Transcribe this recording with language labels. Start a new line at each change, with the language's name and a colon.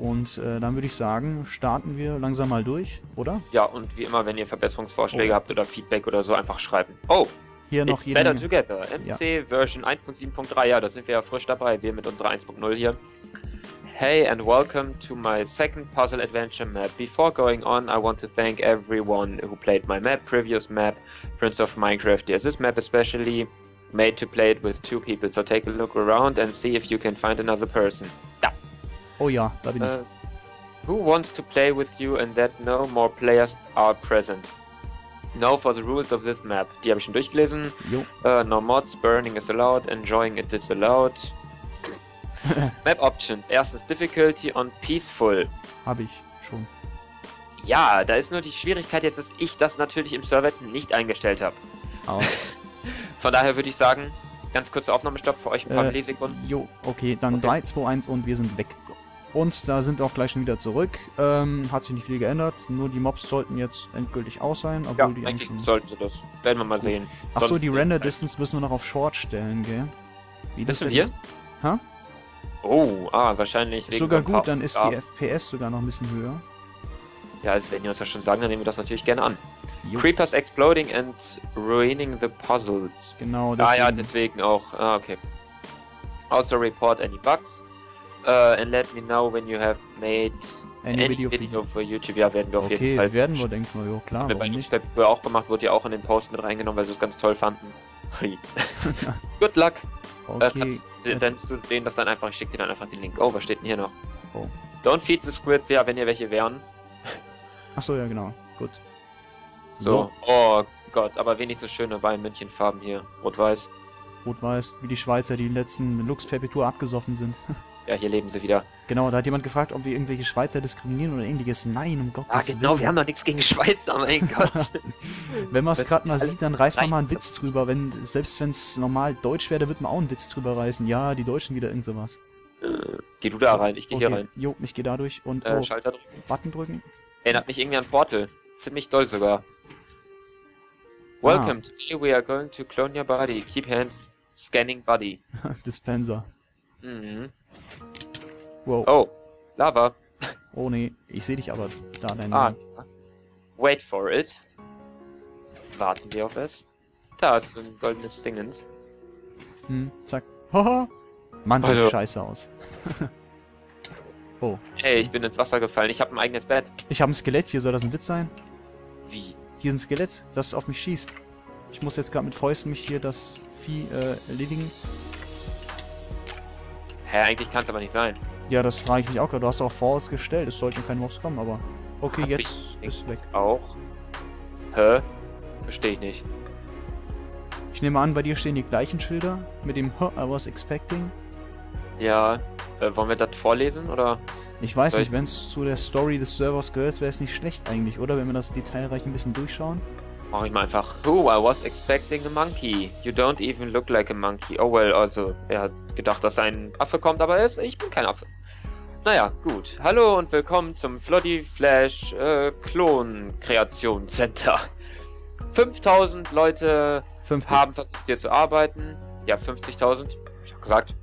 German: Und dann würde ich sagen, starten wir langsam mal durch, oder? Ja, und wie immer, wenn ihr Verbesserungsvorschläge habt oder Feedback oder so, einfach schreiben. Oh! Hier noch
English: It's Better Together, MC ja.
German: Version 1.7.3, ja, da sind wir ja frisch dabei, wir mit unserer 1.0 hier.
English: Hey and welcome to my second puzzle adventure map. Before going on, I want to thank everyone who played my map, previous map, Prince of Minecraft. Yes, this map especially made to play it with two people, so take a look around and see if you can find another person.
German: Da. Oh ja, da bin ich.
English: Who wants to play with you and that no more players are present? No for the rules of this map.
German: Die habe ich schon durchgelesen. Jo.
English: No mods, burning is allowed, enjoying it is allowed. Map options. Erstens difficulty on peaceful.
German: Habe ich schon. Ja, da ist nur die Schwierigkeit jetzt, dass ich das natürlich im Server jetzt nicht eingestellt habe. Oh. Von daher würde ich sagen, ganz kurzer Aufnahmestopp für euch, ein paar Millisekunden. Jo, okay, dann 3, 2, 1 und wir sind weg. Und da sind wir auch gleich schon wieder zurück. Hat sich nicht viel geändert. Nur die Mobs sollten jetzt endgültig aus sein. Obwohl ja, die eigentlich sollten sie das. Werden wir mal sehen. Achso, die Render Distance müssen wir noch auf Short stellen, gell? Wie das wir? Hä? Oh, ah, wahrscheinlich. Ist sogar gut, dann ist die FPS sogar noch ein bisschen höher. Ja, also wenn die uns das schon sagen, dann nehmen wir das natürlich gerne an.
English: Jo. Creepers exploding and ruining the puzzles.
German: Genau, deswegen. Ah ja, deswegen auch. Ah, okay. Also
English: report any bugs. And let me know when you have made any video for YouTube.
German: Ja, werden wir auf jeden Fall. Okay, werden wir, denken wir, jo, klar. Wir haben bei YouTube auch gemacht, wurde ja auch in den Post mit reingenommen, weil sie es ganz toll fanden.
English: Good luck! Okay.
German: Sendest du denen das dann einfach, ich schicke dir dann einfach den Link. Oh, was steht denn hier noch? Oh.
English: Don't feed the squids,
German: ja, wenn ihr welche wären. Achso, ja, genau. Gut. So. Oh Gott, aber wenig so schöne Bayern-München-Farben hier. Rot-Weiß. Rot-Weiß, wie die Schweizer, die letzten Lux Perpetua abgesoffen sind. Ja, hier leben sie wieder. Genau, da hat jemand gefragt, ob wir irgendwelche Schweizer diskriminieren oder ähnliches. Nein, um Gottes Willen. Ah, genau, wir haben doch nichts gegen Schweizer, mein Gott. Wenn man es gerade mal sieht, dann reißt man mal einen Witz drüber. Wenn, selbst wenn es normal deutsch wäre, wird man auch einen Witz drüber reißen. Ja, die Deutschen wieder irgend sowas. Geh du da rein, ich geh hier rein. Jo, ich geh da durch und Schalter drücken. Button drücken. Erinnert mich irgendwie an Portal. Ziemlich doll sogar.
English: Welcome, today we are going to clone your body. Keep hands scanning body.
German: Dispenser. Mhm. Wow. Oh, Lava. Oh ne, ich sehe dich aber da dein. Ah.
English: Wait for it.
German: Warten wir auf es. Da ist ein goldenes Dingens. Hm, zack. Haha. Mann, sieht scheiße aus. Oh. Hey, ich bin ins Wasser gefallen. Ich habe ein eigenes Bett. Ich habe ein Skelett hier, soll das ein Witz sein? Wie? Hier ist ein Skelett, das auf mich schießt. Ich muss jetzt gerade mit Fäusten mich hier das Vieh erledigen. Hä, eigentlich kann es aber nicht sein. Ja, das frage ich mich auch gerade. Du hast auch Force gestellt. Es sollten keine Mobs kommen, aber... Okay, hab jetzt ist weg. Auch? Hä? Verstehe ich nicht. Ich nehme an, bei dir stehen die gleichen Schilder. Mit dem
English: Huh, I was expecting.
German: Ja, wollen wir das vorlesen, oder? Ich weiß nicht, wenn es zu der Story des Servers gehört, wäre es nicht schlecht eigentlich, oder? Wenn wir das detailreich ein bisschen durchschauen. Mach ich mal einfach.
English: Oh, I was expecting a monkey. You don't even look like a monkey.
German: Oh well, also, er hat gedacht, dass ein Affe kommt, aber er ist, ich bin kein Affe. Naja, gut. Hallo und willkommen zum Floody Flash Klon-Kreation Center. 5000 Leute 50. Haben versucht, hier zu arbeiten. Ja, 50.000. Hab ich auch gesagt.